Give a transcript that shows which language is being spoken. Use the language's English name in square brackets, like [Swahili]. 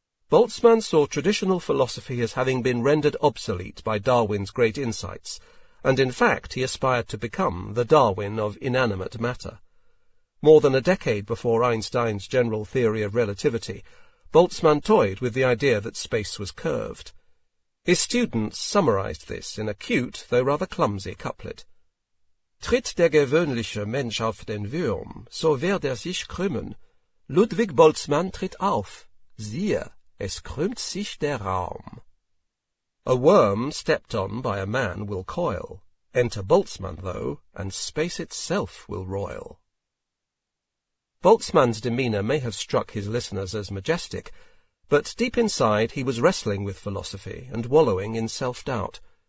[English] Boltzmann saw traditional philosophy as having been rendered obsolete by Darwin's great insights, and in fact he aspired to become the Darwin of inanimate matter. More than a decade before Einstein's general theory of relativity, Boltzmann toyed with the idea that space was curved. His students summarized this in a cute, though rather clumsy, couplet. [German] "Tritt der gewöhnliche Mensch auf den Würm, so wird sich krümmen. Ludwig Boltzmann tritt auf. Siehe, es krümmt sich der Raum." [English] A worm stepped on by a man will coil. Enter Boltzmann, though, and space itself will roil. Boltzmann's demeanour may have struck his listeners as majestic, but deep inside he was wrestling with philosophy and wallowing in self-doubt.